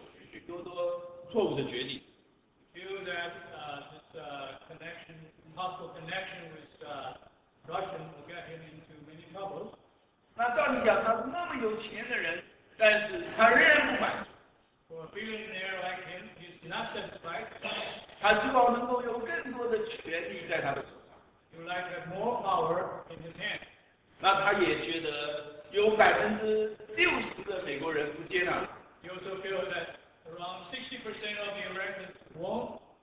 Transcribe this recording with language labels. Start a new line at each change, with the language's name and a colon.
Chinese: 可能会引发他过去许许多多错误的决定。
English: Due that this connection, possible connection with Russian will get him into many troubles.
Chinese: 那照理讲，他是那么有钱的人，但是他仍然不满足。
English: For a billionaire like him, he's not satisfied.
Chinese: 他希望能够有更多的权力在他的手上。
English: He would like to have more power in his hand.
Chinese: 那他也觉得有60%的美国人不接纳。
English: He also feels that around 60% of the Americans won't.